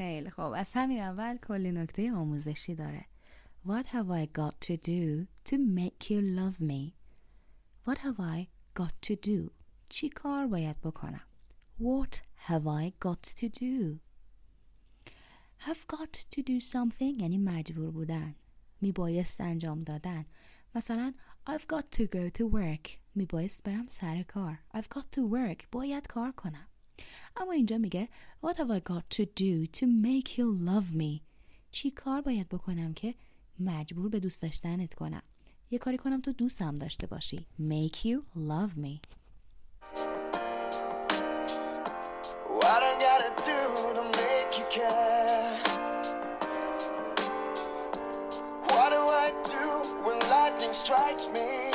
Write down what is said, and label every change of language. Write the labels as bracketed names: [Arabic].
[Persian] خب از همین اول کلی نکته آموزشی داره. [English] What have I got to do to make you love me? What have I got to do? [Persian] چی کار باید بکنم؟ [English] What have I got to do? Have got to do something [Persian] یعنی مجبور بودن، میبایست انجام دادن. مثلا [English] I've got to go to work، [Persian] میبایست برم سر کار. [English] I've got to work، [Persian] باید کار کنم. اما اینجا میگه [English] What have I got to do to make you love me؟ [Persian] چی کار باید بکنم که مجبور به دوست داشتنت کنم؟ یه کاری کنم تو دوستم داشته باشی. [English] Make you love me. What I gotta do to make you care? What do I do when lightning strikes me?